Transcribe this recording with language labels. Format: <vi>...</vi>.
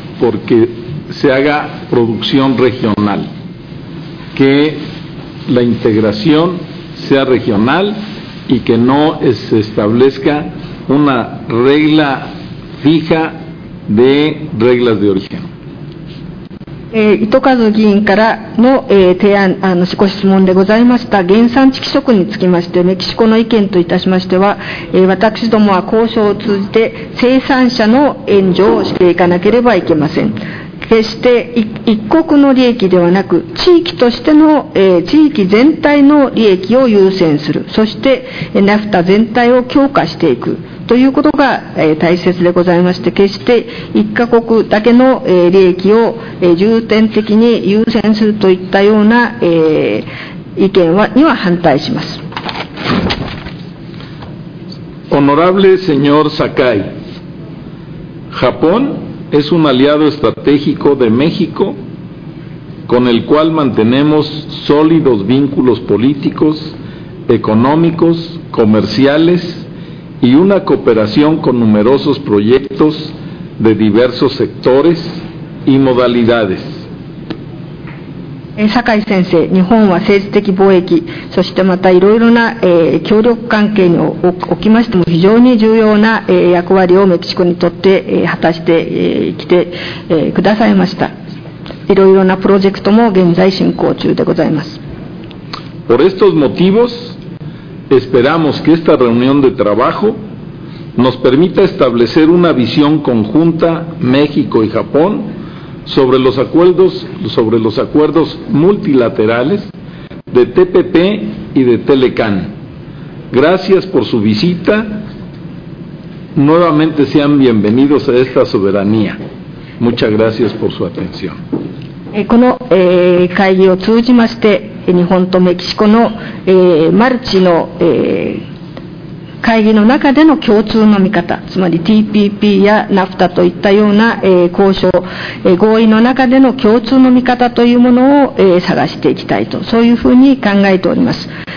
<es>porque se haga producción regional, que la integración sea regional y que no se establezca una regla fija de reglas de origen.</es> <ja>糸数議員からの、提案、少し質問でございました。原産地規則につきましてメキシコの意見といたしましては、私どもは交渉を通じて生産者の援助をしていかなければいけません。決して一国の利益ではなく地域としての、地域全体の利益を優先する、そして、NAFTA 全体を強化していくということが大切でございまして、決して一カ国だけの利益を重点的に優先するといったような意見には反対します。</ja> <es>Honorable señor Sakai, Japón es un aliado estratégico de México con el cual mantenemos sólidos vínculos políticos, económicos, comerciales. Y una cooperación con numerosos proyectos de diversos sectores y modalidades.</es> <ja>坂井先生、日本は政治的貿易、そしてまたいろいろな、協力関係に おきましても非常に重要な、役割をメキシコにとって、果たして、来て、くださいました。いろいろなプロジェクトも現在進行中でございます。</ja> <es>Por estos motivos,Esperamos que esta reunión de trabajo nos permita establecer una visión conjunta México y Japón sobre los acuerdos multilaterales de TPP y de Telecan. Gracias por su visita. Nuevamente sean bienvenidos a esta soberanía. Muchas gracias por su atención.</es> <ja>この会議を通じまして日本とメキシコの、マルチの、会議の中での共通の見方、つまり TPP や NAFTA といったような交渉、合意の中での共通の見方というものを探していきたいと、そういうふうに考えております。</ja>